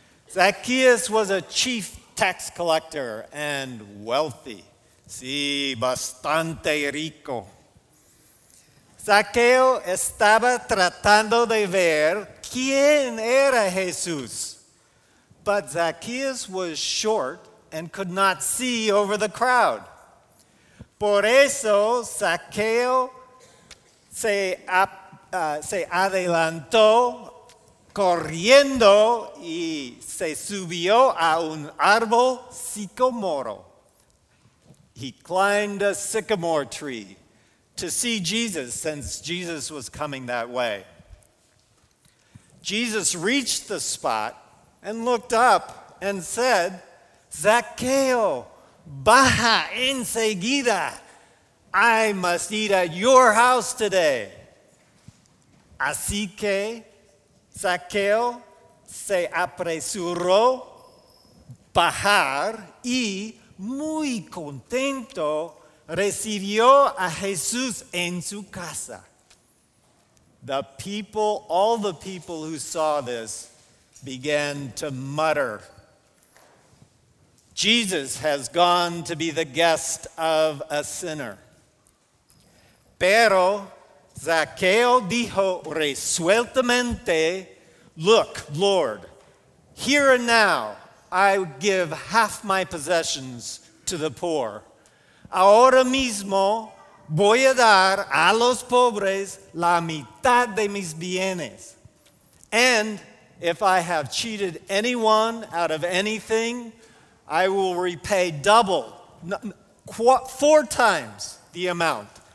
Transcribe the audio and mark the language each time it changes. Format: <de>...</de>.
<en>Zacchaeus was a chief tax collector and wealthy.</en> <es>Sí, bastante rico. Zaqueo estaba tratando de ver quién era Jesús.</es> <en>But Zacchaeus was short and could not see over the crowd.</en> <es>Por eso, Zaqueo se adelantó corriendo y se subió a un árbol sicomoro.</es> <en>He climbed a sycamore tree to see Jesus, since Jesus was coming that way. Jesus reached the spot and looked up and said,</en> <es>"Zaqueo, baja enseguida.</es> <en>I must eat at your house today."</en> <es>Así que Zaqueo se apresuró bajar y muy contento recibió a Jesús en su casa.</es> <en>All the people who saw this began to mutter, "Jesus has gone to be the guest of a sinner."</en> <es>Pero Zaqueo dijo resueltamente,</es> <en>"Look, Lord, here and now I give half my possessions to the poor.</en> <es>Ahora mismo voy a dar a los pobres la mitad de mis bienes.</es> <en>And if I have cheated anyone out of anything, I will repay double, four times the amount.</en>